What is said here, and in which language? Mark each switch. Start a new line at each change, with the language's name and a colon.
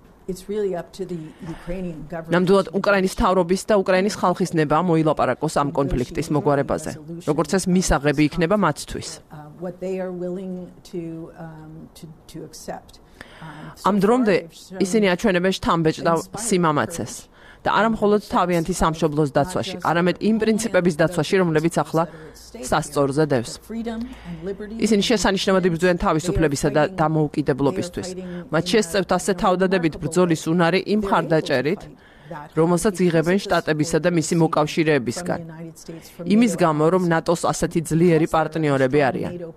English: It's really up to the Ukrainian government.
Georgian: ნამდვილად უკრაინის მთავრობის და უკრაინის ხალხის ნება მოილაპარაკოს ამ კონფლიქტის მოგვარებაზე, როგორც ეს მისაღები იქნება მათთვის.
English: What they are willing to accept.
Georgian: ამ დრომდე ისინი აჩვენებენ შთამბეჭდავ სიმამაცეს და არა მხოლოდ თავიანთი სამშობლოს დაცვაში, არამედ იმ პრინციპების დაცვაში, რომლებიც ახლა სასწორზე დევს. ისინი შესანიშნავად იბრძვიან თავისუფლებისა და დამოუკიდებლობისთვის. მათ შესწევთ ასე თავდადებით ბრძოლის უნარი იმ მხარდაჭერით, რომელსაც იღებენ შტატებისა და მისი მოკავშირეებისგან, იმის გამო, რომ ნატოს ასეთი ძლიერი პარტნიორები არიან.